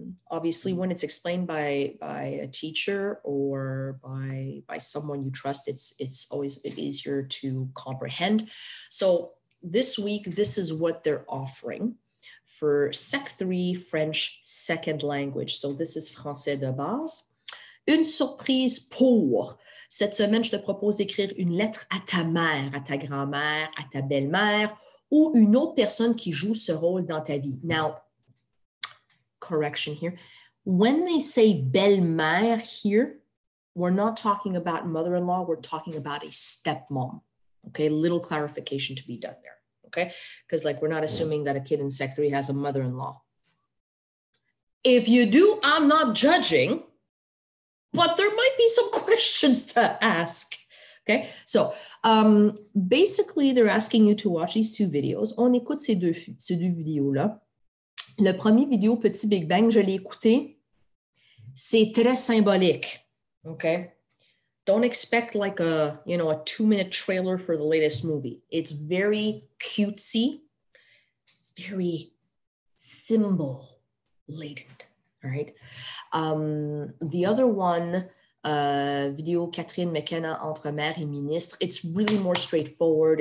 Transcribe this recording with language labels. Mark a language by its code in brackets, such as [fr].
[en] Obviously, when it's explained by a teacher or by someone you trust, it's always a bit easier to comprehend. So this week, this is what they're offering for Sec 3 French second language. So this is Français de base. [fr] Une surprise pour. Cette semaine, je te propose d'écrire une lettre à ta mère, à ta grand-mère, à ta belle-mère, ou une autre personne qui joue ce rôle dans ta vie. [en] Now, correction here. When they say belle-mère here, we're not talking about mother-in-law, we're talking about a stepmom. Okay, little clarification to be done there. Okay, because like we're not assuming that a kid in Sec 3 has a mother-in-law. If you do, I'm not judging. But there might be some questions to ask, okay? So, basically, they're asking you to watch these two videos. [fr] On écoute ces deux vidéos-là. Le premier vidéo, Petit Big Bang, je l'ai écouté. C'est très symbolique, okay? [en] Don't expect like a, you know, a two-minute trailer for the latest movie. It's very cutesy. It's very symbol-laden. All right. The other one, video Catherine McKenna entre mère et ministre, it's really more straightforward.